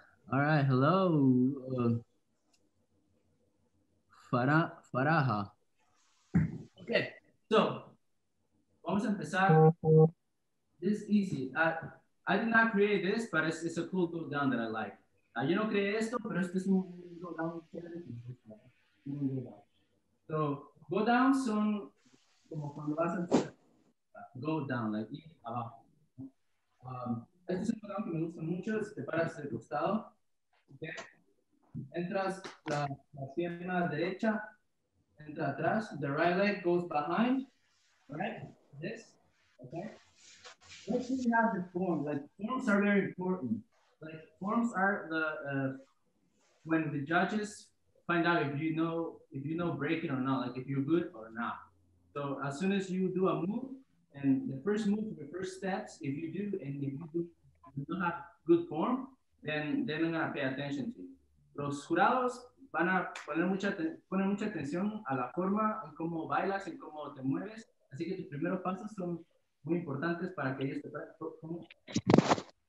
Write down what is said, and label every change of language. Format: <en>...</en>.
<en>All right, hello. Faraha. Okay, so,</en> <es>vamos a empezar.</es> <en>This is easy. I did not create this, but it's a cool go down that I like.</en> <es>Yo no creé esto, pero este es un go down. So, go down son como cuando vas a go down,</es> <en>like</en> <es>ir abajo. Este es un go down que me gusta mucho, te paras del costado.</es> <en>Okay.</en> <es>Entras la pierna derecha, entra atrás,</es> <en>the right leg goes behind, right? This, okay? Make sure you have the form, like forms are very important. Like forms are the when the judges find out if you know breaking or not, like if you're good or not. So as soon as you do a move and the first move, the first steps, if you don't have good form, then they're not gonna pay attention to you.</en> <es>Los jurados van a poner mucha atención a la forma en cómo bailas y cómo te mueves. Así que tus primeros pasos son muy importantes para que ellos te practiquen.</es>